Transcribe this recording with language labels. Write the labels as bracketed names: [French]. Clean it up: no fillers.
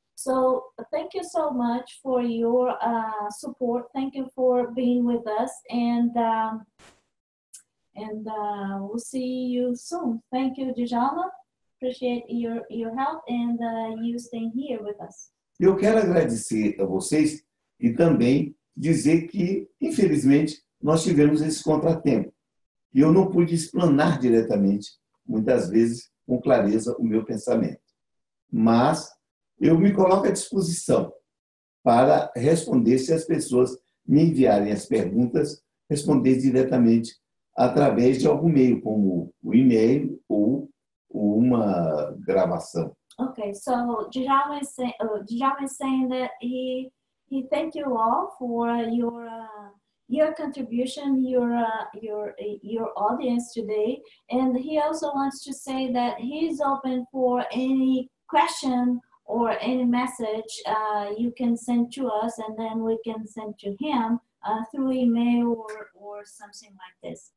[English] So thank you so much for your support. Thank you for being with us, and we'll see you soon. Thank you, Djalma. Appreciate your help and you staying here with us. [Portuguese] Eu quero agradecer a vocês e também dizer que infelizmente nós tivemos esse contratempo e eu não pude explanar diretamente, muitas vezes, com clareza, o meu pensamento. Mas eu me coloco à disposição para responder se as pessoas me enviarem as perguntas, responder diretamente através de algum meio, como o e-mail ou uma gravação. [English] Ok, so Djalma is saying that he thank you all for your contribution, your audience today, and he also wants to say that he's open for any question or any message you can send to us, and then we can send to him through email or something like this.